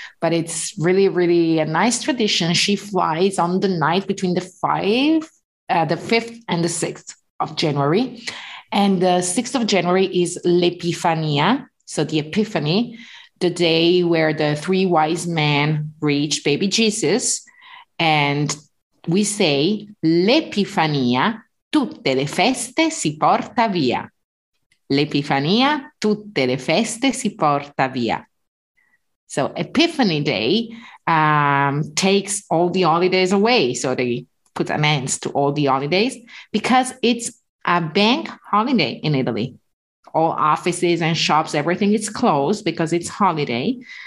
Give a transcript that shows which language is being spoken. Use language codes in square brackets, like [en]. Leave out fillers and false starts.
[en] But it's really, really a nice tradition. She flies on the night between the 5th and the 6th of January. And the 6th of January is l'Epifania, so the Epiphany, the day where the three wise men reach baby Jesus. And we say, [it] l'Epifania, tutte le feste si porta via. L'Epifania, tutte le feste si porta via. [en] So Epiphany Day takes all the holidays away. So they put an end to all the holidays because it's a bank holiday in Italy. All offices and shops, everything is closed because it's holiday.